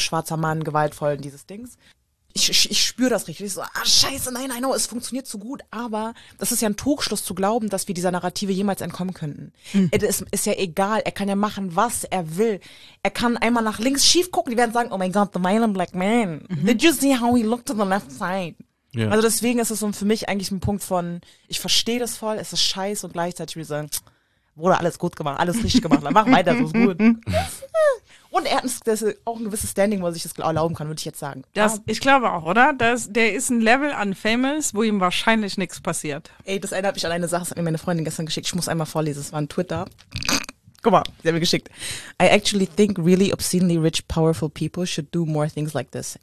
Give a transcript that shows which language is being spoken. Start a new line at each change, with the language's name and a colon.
German: Schwarzer Mann, gewaltvoll, dieses Dings. Ich spüre das richtig. Ich so, scheiße, nein,
English: I know,
German: es funktioniert so gut, aber das ist ja ein Trugschluss zu glauben, dass wir dieser Narrative jemals entkommen könnten. Mhm. Es ist ja egal, er kann ja machen, was er will. Er kann einmal nach links schief gucken, die werden sagen,
English: oh my god, the violent black man. Mhm. Did you see how he looked on the left side?
German: Ja. Also deswegen ist es so für mich eigentlich ein Punkt von, ich verstehe das voll, es ist scheiße und gleichzeitig wie so, wurde alles gut gemacht, alles richtig gemacht, mach weiter, so ist gut. Und er hat auch ein gewisses Standing, wo er sich das erlauben kann, würde ich jetzt sagen. Ich glaube auch, oder? Der ist ein Level an Famous, wo ihm wahrscheinlich nichts passiert. Ey, das erinnert mich an eine Sache, das hat mir meine Freundin gestern geschickt. Ich muss einmal vorlesen, es war ein Twitter. Guck mal, sie hat mir geschickt.
English: I actually think really obscenely rich, powerful people should do more things like this.